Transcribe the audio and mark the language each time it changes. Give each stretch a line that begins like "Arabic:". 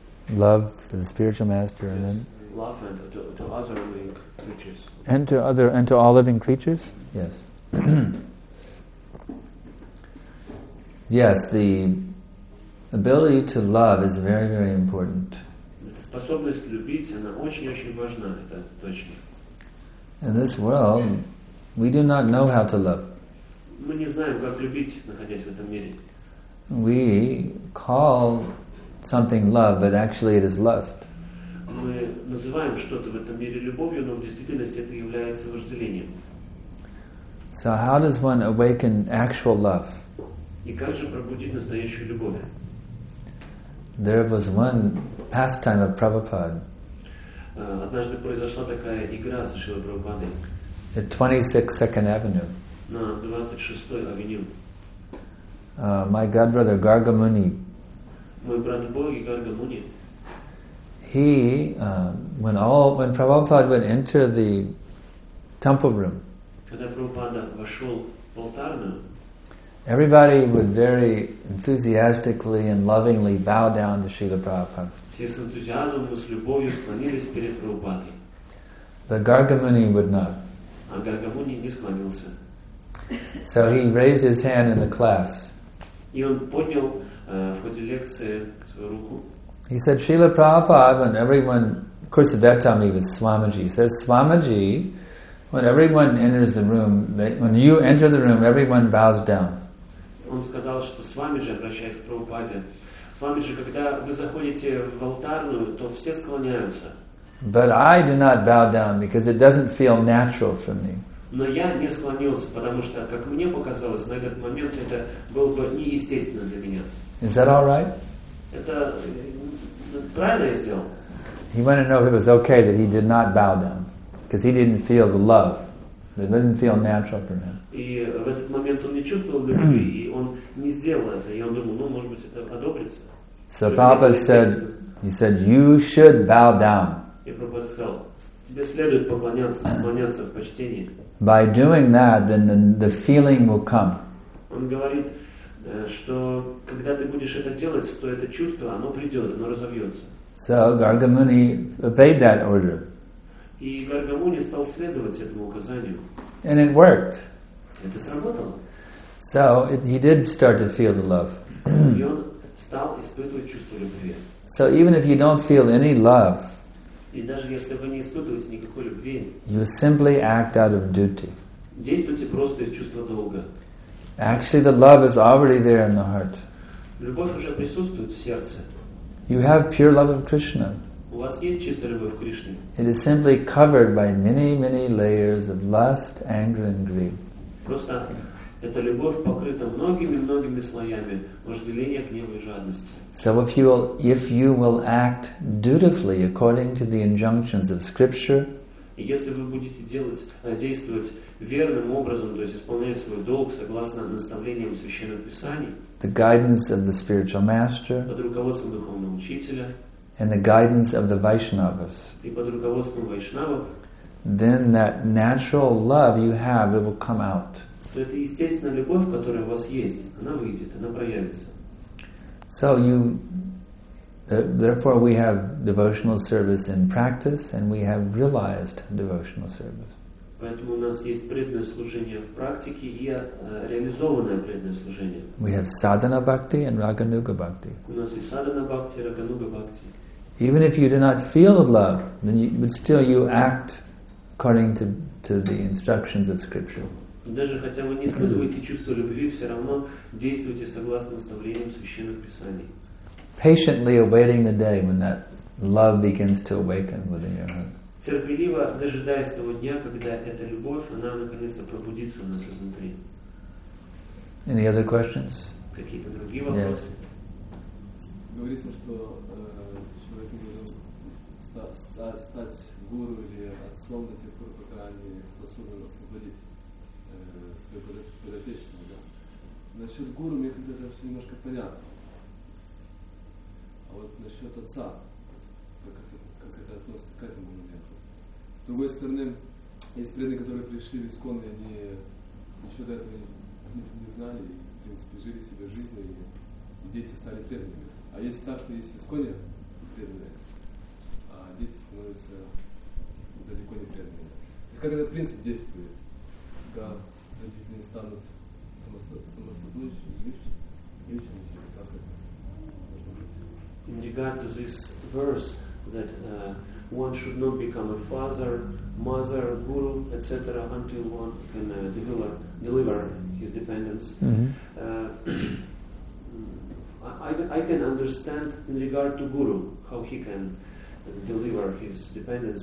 English: Love for the spiritual master, yes. And then love and to other living creatures, and to all living creatures. Yes. Yes, the ability to love is very, very important.
Russian: Способность любить, она очень, очень важна, это точно.
English: In this world, we do not know how to love.
Russian: Мы не знаем, как любить, находясь в этом мире.
English: We call something love, but actually it is lust.
Russian: Мы называем что-то в этом мире любовью, но в действительности это является вожделением.
English: So how does one awaken actual love?
Russian: И как же пробудить настоящую любовь?
English: There was one pastime of Prabhupada.
Russian: Однажды произошла такая игра с Шрилой Прабхупадой.
English: At 26 Second Avenue.
Russian: На 26-й авеню.
English: My godbrother Garga Muni.
Russian: Мой брат Боги Гарга Муни.
English: He when Prabhupada would enter the temple room.
Russian: Когда Прабхупада вошел в алтарную.
English: Everybody would very enthusiastically and lovingly bow down to Srila Prabhupada.
Russian: Все с энтузиазмом и с любовью склонились перед Прабхупадой.
English: But Gargamuni would not.
Russian: А Гаргамуни не склонился.
English: So he raised his hand in the class.
Russian: И он поднял в ходе лекции свою руку.
English: He said, Srila Prabhupada, when everyone, of course at that time he was Swamiji, he said, Swamiji, when everyone enters the room, when you enter the room, everyone bows down.
Russian: Он сказал, что Свамиджи, обращаясь к Прабхупаде, Свамиджи, когда вы заходите в алтарную, то все склоняются.
English: But I do not bow down because it doesn't feel natural for me.
Russian: Но я не склонился, потому что, как мне показалось, на этот момент это было бы неестественно для меня.
English: Is that all right?
Russian: Это правильно я сделал?
English: He wanted to know if it was okay that he did not bow down. because he didn't feel the love. It didn't feel natural for him.
Russian: И в этот момент он не чувствовал любви, и он не сделал это. И он думал, ну, может быть, это одобрится.
English: So Prabhupada said, he said, you should bow down.
Russian: И Прабхупада сказал, тебе следует поклоняться, поклоняться в почтении.
English: By doing that, then the feeling will come.
Russian: Он говорит, что когда ты будешь это делать, то это чувство, оно придет, оно разовьется.
English: So Garga Muni obeyed that order.
Russian: И Гарга Муни стал следовать этому указанию.
English: And it worked.
Russian: Это сработало.
English: So he did start to feel the love.
Russian: И он стал испытывать чувство любви.
English: So even if you don't feel any love,
Russian: и даже если вы не испытываете никакой любви,
English: you simply act out of duty.
Russian: Действуйте просто из чувства долга.
English: Actually, the love is already there in the heart.
Russian: Любовь уже присутствует в сердце.
English: You have pure love of Krishna.
Russian: У вас есть чистая любовь к Кришне.
English: It is simply covered by many, many layers of lust, anger, and greed.
Russian: Просто эта любовь покрыта многими, многими слоями вожделения, гнева и жадности.
English: So if you will act dutifully according to the injunctions of Scripture.
Russian: Если вы будете действовать верным образом, то есть исполнять свой долг согласно наставлениям Священных Писаний,
English: the guidance of the spiritual master,
Russian: под руководством духовного учителя,
English: and the guidance of the Vaishnavas,
Russian: и под руководством Вайшнавов,
English: then that natural love you have, it will come out.
Russian: То это естественная любовь, которая у вас есть, она выйдет, она проявится.
English: So you, therefore we have devotional service in practice, and we have realized devotional service.
Russian: Поэтому у нас есть преданное служение в практике и реализованное преданное служение.
English: We have sadhana bhakti and raganuga bhakti.
Russian: У нас есть sadhana bhakti, raganuga bhakti.
English: Even if you do not feel love, then you, but still you act according to the instructions of Scripture.
Russian: Даже хотя вы не испытываете чувство любви, все равно действуйте согласно наставлениям Священных Писаний.
English: Patiently awaiting the day when that love begins to awaken within your heart.
Russian: Терпеливо дожидаясь того дня, когда эта любовь, она наконец-то пробудится у нас изнутри.
English: Any other questions?
Russian: Какие-то другие вопросы?
English: Yes.
Russian: Говорится, что человек может стать гуру или отцом до тех пор, пока они способны освободить своего подопечного. Да? Насчет гуру мне когда-то все немножко понятно. А вот насчет отца, как это относится к этому моменту? С другой стороны, есть преданные, которые пришли в Искон, и они еще до этого не знали, и, в принципе, жили себе жизнью, и дети стали преданными. А если так, что есть в Исконе преданные, а дети становятся далеко не преданными. То есть как этот принцип действует, когда родители станут самосознающимися, как это?
English: In regard to this verse that one should not become a father, mother, guru, etc. until one can deliver his dependents. Mm-hmm. I can understand in regard to guru, how he can deliver his dependents.